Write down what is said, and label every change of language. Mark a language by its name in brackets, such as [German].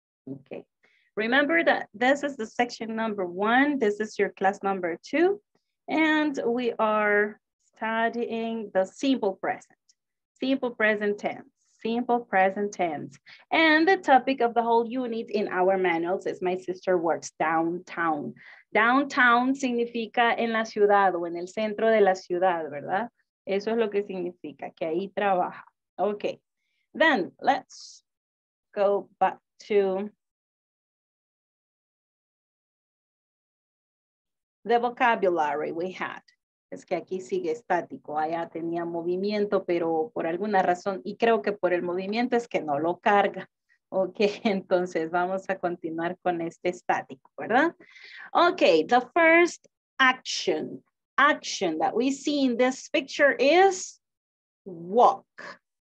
[English] Okay, remember that this is the section number one, this is your class number two, and we are studying the simple present tense. And the topic of the whole unit in our manuals is my sister works downtown. [Spanish] Downtown significa en la ciudad o en el centro de la ciudad, ¿verdad? Eso es lo que significa, que ahí trabaja. [English] Okay, then let's go back to the vocabulary we had. [Spanish] Es que aquí sigue estático. Allá tenía movimiento, pero por alguna razón, y creo que por el movimiento es que no lo carga. Ok, entonces vamos a continuar con este estático, ¿verdad? [English] Ok, the first action that we see in this picture is walk.